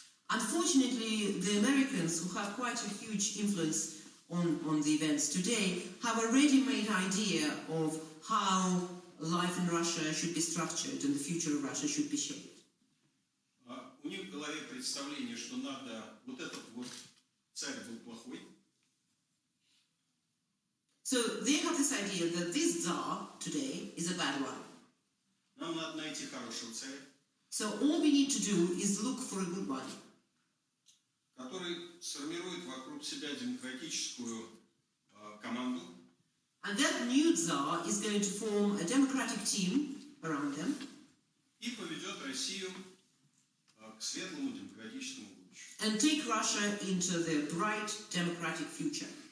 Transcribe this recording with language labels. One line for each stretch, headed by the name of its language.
English: Unfortunately, the Americans, who have quite a huge influence on the events today, have already made an idea of how life in Russia should be structured and the future of Russia should be shaped.
Russian: У них в голове представление, что надо вот этот вот царь был плохой.
English: So they have this idea that this Tsar today is a bad one.
Russian: Нам надо найти хорошего царя.
English: So all we need to do is look for a good one.
Russian: Который сформирует вокруг себя демократическую команду.
English: And that new Tsar is going to form a democratic team around them.
Russian: И поведет Россию к светлому демократическому будущему.
English: And take Russia into the bright democratic future.